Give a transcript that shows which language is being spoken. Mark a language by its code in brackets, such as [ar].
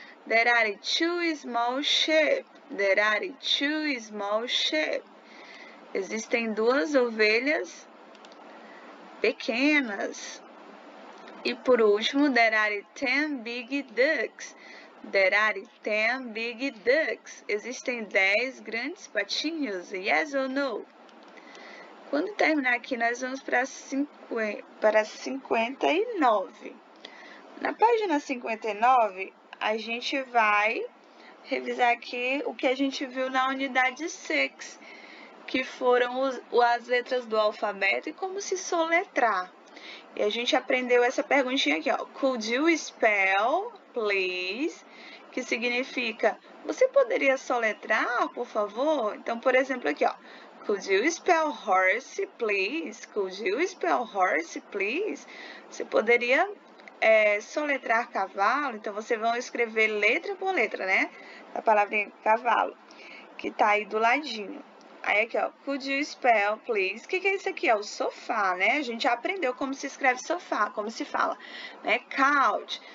[en] There are two small sheep. There are two small sheep. [pt] Existem duas ovelhas pequenas. E por último, [en] there are 10 big ducks. There are 10 big ducks. [pt] Existem 10 grandes patinhos. [en] Yes or no? [pt] Quando terminar aqui, nós vamos para 59. Na página 59, a gente vai revisar aqui o que a gente viu na unidade 6, que foram as letras do alfabeto e como se soletrar. E a gente aprendeu essa perguntinha aqui, ó. [en] Could you spell, please? [pt] Que significa, você poderia soletrar, por favor? Então, por exemplo, aqui, ó. [en] Could you spell horse, please? Could you spell horse, please? [pt] Você poderia soletrar cavalo? Então, vocês vão escrever letra por letra, né? A palavra cavalo, que tá aí do ladinho. Aí aqui, ó, [en] could you spell, please? [pt] O que, que é isso aqui? É o sofá, né? A gente já aprendeu como se escreve sofá, como se fala, né? Couch.